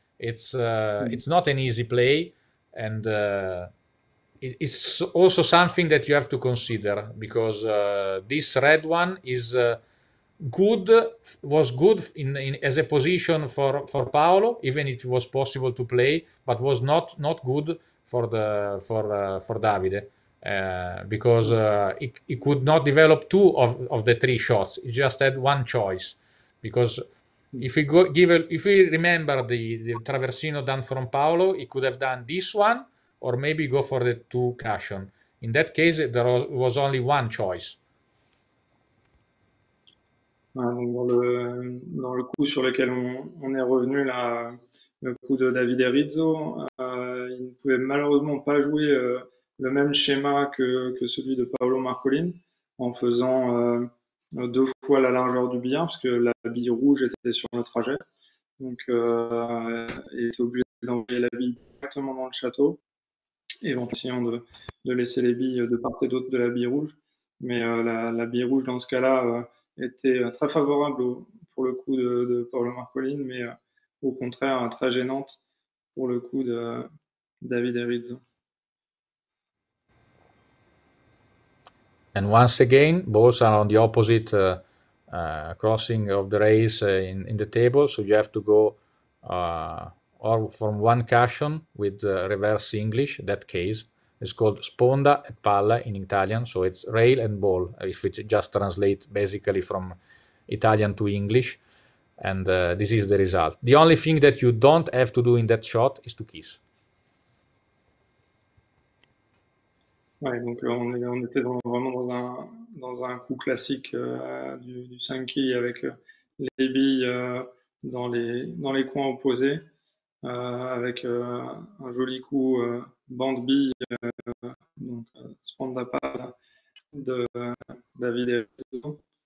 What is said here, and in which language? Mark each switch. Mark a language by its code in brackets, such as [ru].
[en] It's it's not an easy play, and it's also something that you have to consider, because this red one is good, was good in as a position for Paolo, even if it was possible to play, but was not good for the for Davide, because he could not develop two of the three shots. He just had one choice, because if we remember the traversino done from Paolo, he could have done this one or maybe go for the two cushion. In that case, there was only one choice. [fr] Dans le coup sur lequel on est revenu, là, le coup de Davide Rizzo, il ne pouvait malheureusement pas jouer le même schéma que celui de Paolo Marcolin, en faisant deux fois la largeur du billard, parce que la bille rouge était sur le trajet. Donc, il était obligé d'envoyer la bille directement dans le château, éventuellement de laisser les billes de part et d'autre de la bille rouge. Mais la bille rouge, dans ce cas-là, était très favorable pour le coup de Paolo Marcolin, mais au contraire très gênante pour le coup de Davide Rizzo. [en] And once again, balls are on the opposite crossing of the rays in the table, so you have to go or from one cushion with reverse English. That case is called sponda e palla in Italian, so it's rail and ball, if it just translate basically from Italian to English, and this is the result. The only thing that you don't have to do in that shot is to kiss. [fr] Ouais, donc on était vraiment dans un coup classique du 5-key avec les billes dans les coins opposés, avec un joli coup bande bille, donc sponda palla de Davide Rizzo.